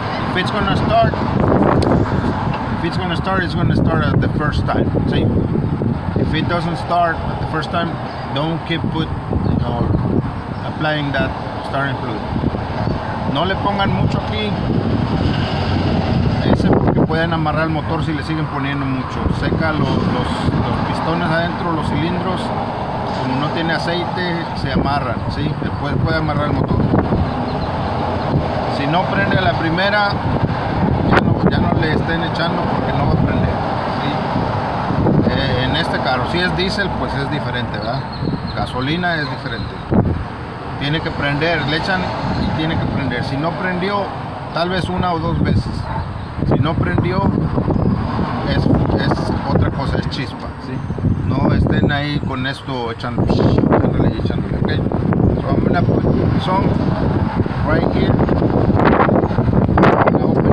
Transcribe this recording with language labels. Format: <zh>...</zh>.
<en>If it's gonna start, it's gonna start at the first time. See? If it doesn't start at the first time, don't keep applying that starting fluid.</en> <es>No le pongan mucho aquí. Ese porque pueden amarrar el motor si le siguen poniendo mucho. Seca los pistones adentro, los cilindros. Como no tiene aceite, se amarran. ¿Sí? Después puede amarrar el motor. Si no prende la primera, ya no le estén echando, porque no va a prender. ¿Sí? En este carro, si es diésel, pues es diferente, ¿verdad? Gasolina es diferente. Tiene que prender, le echan y tiene que prender. Si no prendió, tal vez una o dos veces. Si no prendió, es otra cosa, es chispa. ¿Sí? No estén ahí con esto echándole, ok.</es> <en>So I'm gonna put some right here. No,</en>